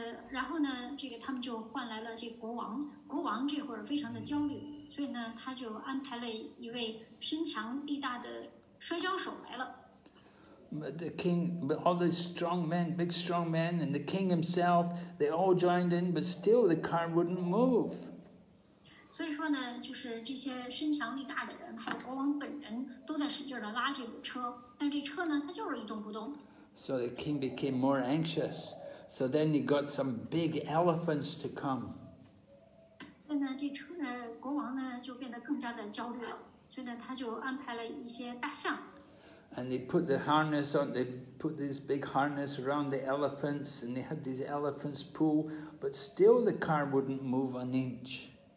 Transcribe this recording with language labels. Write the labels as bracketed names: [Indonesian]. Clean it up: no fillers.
[Chinese] 然后呢，这个他们就换来了这个国王。国王这会儿非常的焦虑，所以呢，他就安排了一位身强力大的摔跤手来了。 [English] But the king, but all the strong men, big strong men, and the king himself, they all joined in, but still the car wouldn't move. [Chinese] 所以说呢，就是这些身强力大的人，还有国王本人，都在使劲的拉这个车，但这车呢，它就是一动不动。 [English] So the king became more anxious. So then he got some big elephants to come. And they put the harness on, they put this big harness around the elephants, and they had these elephants pull, but still the car wouldn't move an inch.